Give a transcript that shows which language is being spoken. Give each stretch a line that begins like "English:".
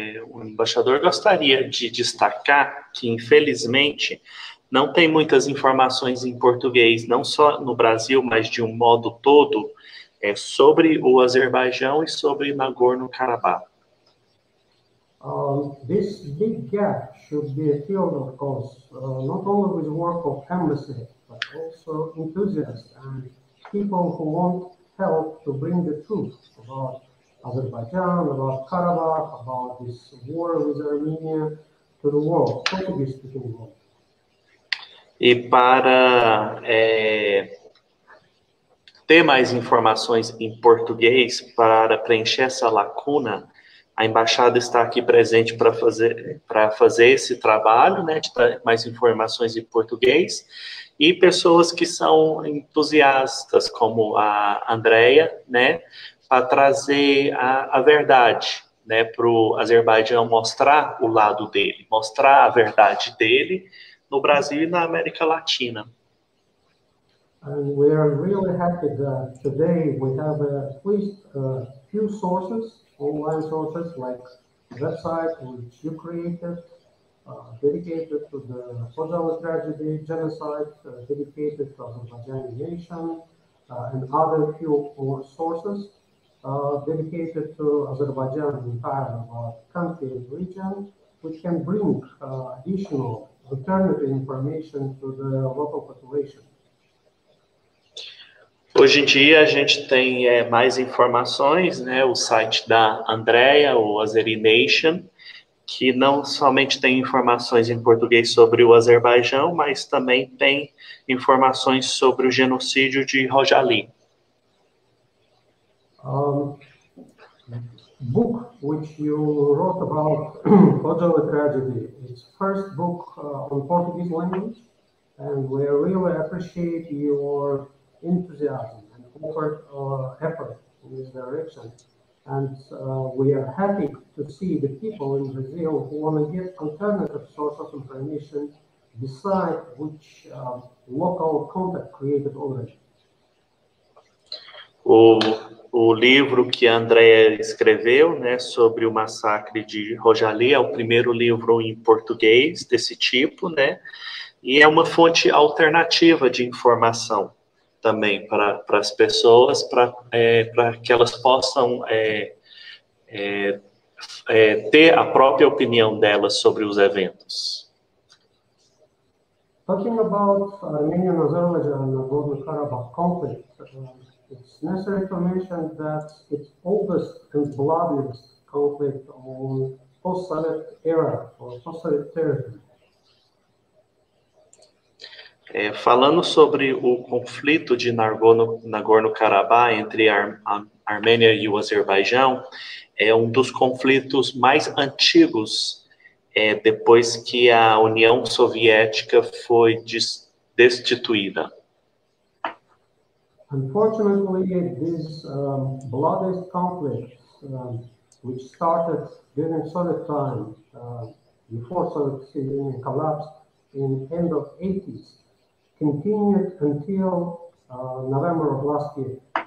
Portuguese: O embaixador gostaria de destacar que, infelizmente, não tem muitas informações em português, não só no Brasil, mas de um modo todo, sobre o Azerbaijão e sobre Nagorno-Karabakh.
English: This big gap should be filled, of course, not only with work of embassy, but also enthusiasts and people who want help to bring the truth about Azerbaijan, about Karabakh, about this war with Armenia to the world, Portuguese-speaking world.
Portuguese: E para ter mais informações em português, para preencher essa lacuna, a embaixada está aqui presente para fazer esse trabalho, né, de dar mais informações em português. E pessoas que são entusiastas, como a Andrea, né, para trazer a verdade, né, para o Azerbaijão mostrar o lado dele, mostrar a verdade dele no Brasil e na América Latina.
English: And we are really happy that today we have at least a few sources, online sources, like a website which you created, dedicated to the Pozhalla tragedy, genocide, dedicated to the Azerbaijani nation, and other few more sources dedicated to Azerbaijan, the entire country and region, which can bring additional alternative information to the local population.
Portuguese: Hoje em dia a gente tem mais informações, né? O site da Andrea, o Azeri Nation, que não somente tem informações em português sobre o Azerbaijão, mas também tem informações sobre o genocídio de Rojali.
English: Book which you wrote about Rojali tragedy. It's first book on Portuguese language, and we really appreciate your enthusiasm and effort in this direction. And we are happy to see the people in Brazil who want to get alternative source of information beside which local contact created already.
Portuguese: O livro que a Andrea escreveu, né, sobre o massacre de Rojali é o primeiro livro em português desse tipo, né, e é uma fonte alternativa de informação também para as pessoas, para que elas possam ter a própria opinião delas sobre os eventos.
English: Talking about Armenian Azerbaijan and the Karabakh conflict, it's necessary to mention that it's oldest and bloodiest conflict on post-Soviet era or post-Soviet territory.
Portuguese: Falando sobre o conflito de Nagorno-Karabakh entre a Armênia e o Azerbaijão, é um dos conflitos mais antigos, depois que a União Soviética foi destituída.
English: Unfortunately, this bloody conflict, which started during Soviet time, before Soviet Union collapsed in the end of the 80s, continued until November of last year.